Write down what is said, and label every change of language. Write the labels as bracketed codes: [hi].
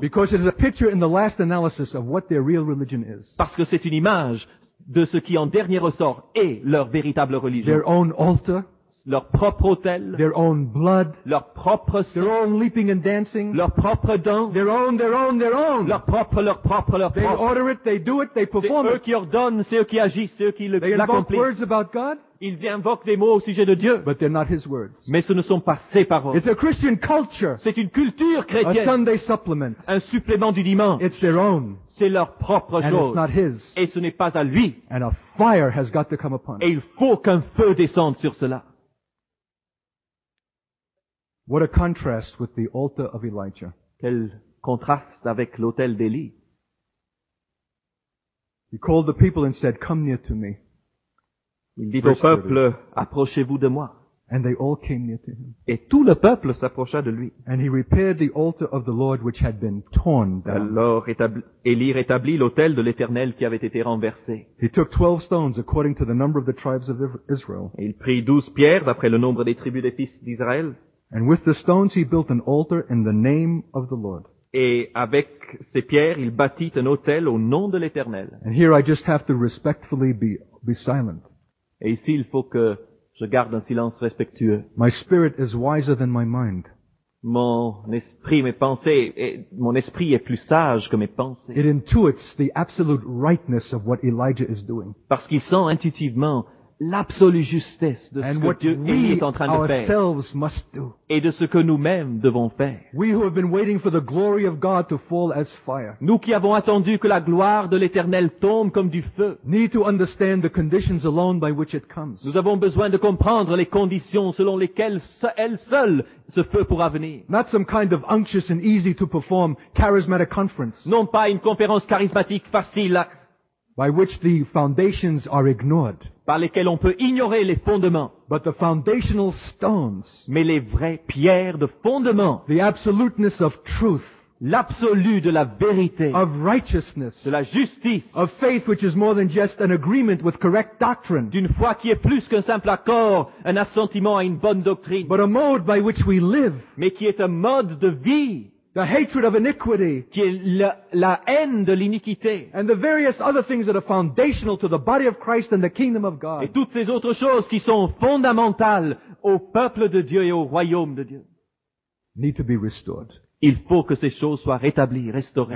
[en] Because it is a picture in the last analysis of what their real religion is. [fr] Parce que c'est une image de ce qui, en dernier ressort, est leur véritable religion. [en] Their own altar. [fr] Leur propre autel. [en] Their own blood. [fr] Leur propre sang. [en] Their own leaping and dancing. [fr] Leur propre danse. [en] Their own. [fr] Leur propre. [en] They order it, they do it, they perform it. [fr] C'est eux qui ordonnent, c'est eux qui agissent, c'est eux qui l'accomplissent. [en] They invoke words about God. [fr] Ils invoquent des mots au sujet de Dieu. [en] But they're not his words. [fr] Mais ce ne sont pas ses paroles. [en] It's a Christian culture. [fr] C'est une culture chrétienne. [en] A Sunday supplement. [fr] Un supplément du dimanche. [en] It's their own. [fr] C'est leur propre chose. [en] And it's not his. [fr] Et ce n'est pas à lui. [en] And a fire has got to come upon. [fr] Et il faut qu'un feu descende sur cela. [en] What a contrast with the altar of Elijah. [fr] Quel contraste avec l'autel d'Élie. [en] He called the people and said, "Come near to me." [fr] Il dit au peuple, approchez-vous de moi. [en] And they all came near to him. [fr] Et tout le peuple s'approcha de lui. [en] And he repaired the altar of the Lord which had been torn down. [fr] Alors Élie rétablit l'autel de l'Éternel qui avait été renversé. [en] He took 12 stones according to the number of the tribes of Israel. [fr] Et il prit 12 pierres d'après le nombre des tribus des fils d'Israël. [en] And with the stones he built an altar in the name of the Lord. [fr] Et avec ces pierres, il bâtit un autel au nom de l'Éternel. [en] And here I just have to respectfully be silent. [fr] Et ici, il faut que je garde un silence respectueux. [en] My spirit is wiser than my mind. [fr] Mon esprit, mes pensées, mon esprit est plus sage que mes pensées. [en] It intuits the absolute rightness of what Elijah is doing. [fr] Parce qu'il sent intuitivement l'absolue justesse de [en] and [fr] ce que Dieu [en] we [fr] est en train de [en] ourselves [fr] faire [en] must do. [fr] Et de ce que nous-mêmes devons faire. Nous qui avons attendu que la gloire de l'Éternel tombe comme du feu. [en] Need to understand the conditions alone by which it comes. [fr] Nous avons besoin de comprendre les conditions selon lesquelles elle seule ce feu pourra venir. [en] Not some kind of anxious and easy to perform charismatic conference. [fr] Non pas une conférence charismatique facile à [en] by which the foundations are ignored, [fr] par lesquels on peut ignorer les fondements, [en] but the foundational stones, [fr] mais les vraies pierres de fondement, [en] the absoluteness of truth, [fr] l'absolu de la vérité, [en] of righteousness, [fr] de la justice, [en] of faith which is more than just an agreement with correct doctrine, [fr] d'une foi qui est plus qu'un simple accord, un assentiment à une bonne doctrine, [en] but a mode by which we live, [fr] mais qui est un mode de vie. [en] The hatred of iniquity, [fr] qui est la haine de l'iniquité, [en] and the various other things that are foundational to the body of Christ and the kingdom of God, [fr] et toutes ces autres choses qui sont fondamentales au peuple de Dieu et au royaume de Dieu, [en] need to be restored. [fr] Il faut que ces choses soient rétablies, restaurées.